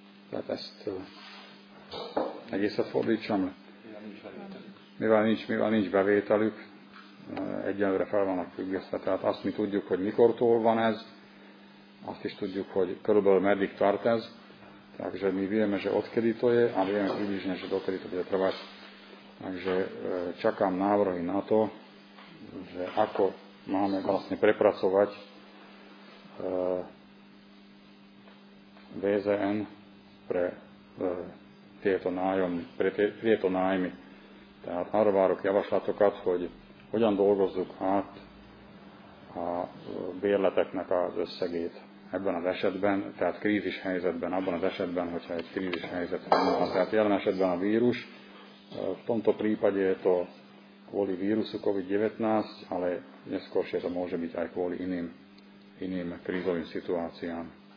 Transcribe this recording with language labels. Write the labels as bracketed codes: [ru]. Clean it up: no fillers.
[hu] Tehát ezt egészet fordítsam. Mivel nincs bevételük, egyelőre fel vannak függesztve. Tehát azt mi tudjuk, hogy mikortól van ez, azt is tudjuk, hogy körülbelül meddig tart ez. [sk] Takže my vieme, že odkedy to je a vieme približne, že dokedy to bude trvať. Takže čakám návrhy na to, že ako máme vlastne prepracovať VZN pre tieto nájmy. [hu] Tehát arvárok javaslatokat, hogy hogyan dolgozzuk át a bérleteknek az összegét. Ebben az esetben, tehát krízis helyzetben, abban az esetben, hogyha egy krízis helyzet van, tehát jelen esetben a vírus, [sk] v tomto prípade je to kvôli vírusu COVID-19, ale neskôršie to môže byť aj kvôli iným krízovým situáciám.